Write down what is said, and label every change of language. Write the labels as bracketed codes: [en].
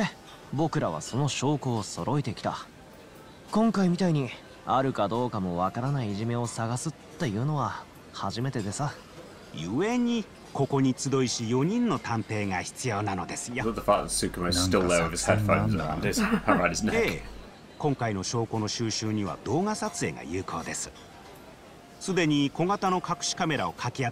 [ja] そんな風に思っていた時、99課の看板が目に入ってきましてね。ホームページを見たら、すでにいじめの調査などを実績として。 [en] スペシフィックリーインブリーイング。 [ja] これは運命かなと。なあ、大げさな。カイト、うちが今までやってきた案件って、大抵最初からいじめの加害者は誰か分かってるわけ。で、僕らはその証拠を揃えてきた。今回みたいに、あるかどうかもわからないいじめを探すっていうのは初めてでさ。故にここに集いし4人の探偵が必要なのですよ。 [en] I love the fact that Sukumo is still there with his headphones around his, around his neck. [ja] ええ、今回の証拠の収集には動画撮影が有効です。すでに小型の隠しカメラをかき集め